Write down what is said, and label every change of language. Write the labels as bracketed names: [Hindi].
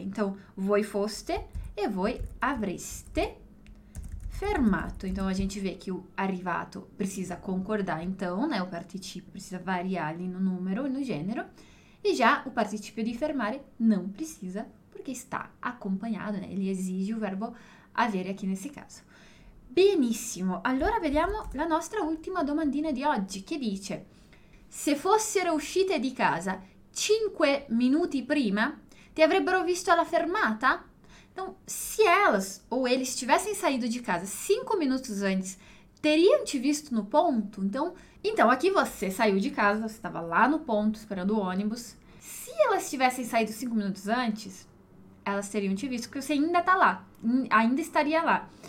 [Portuguese] Então, [Italian] voi foste e voi avreste fermato. [Portuguese] Então a gente vê que o arrivato precisa concordar, então, né? O participio precisa variar ali no numero e no gênero. E já o participio di fermare não precisa, porque está acompanhado, né? Ele esige o verbo avere aqui nesse caso. [Italian] Benissimo, allora vediamo la nostra ultima domandina di oggi, che dice: se fossero uscite di casa 5 minuti prima, ti avrebbero visto alla fermata? [Portuguese] Então, se elas ou eles tivessem saído de casa 5 minutos antes, teriam te visto no ponto? Então, aqui você saiu de casa, você estava lá no ponto esperando o ônibus. Se elas tivessem saído 5 minutos antes, elas teriam te visto, porque você ainda está lá, ainda estaria lá.